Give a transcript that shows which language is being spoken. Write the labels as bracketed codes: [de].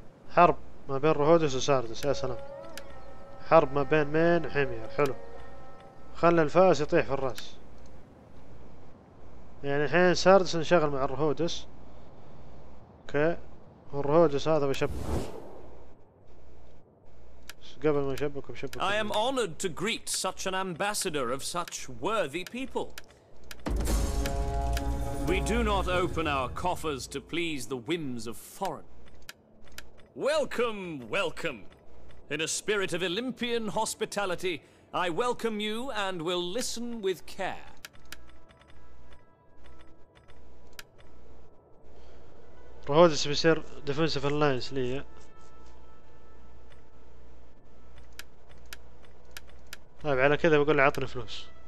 [ar] حرب ما بين رهودس وساردس. يا سلام حرب ما بين مين وحمير. حلو خلى الفاس يطيح في الرأس. يعني الحين ساردس نشغل مع الرهودس. اوكي والرهودس هذا بشبك قبل ما يشبك بشبك. [en] I am honored to greet such an ambassador of such worthy people. We do not open our coffers to please the whims of foreign. Welcome, welcome. In a spirit of Olympian hospitality, I welcome you and will listen with care. [ar] رهودس بيصير [en] defensive alliance [ar] ليا. طيب على كذا بقول له عطني فلوس.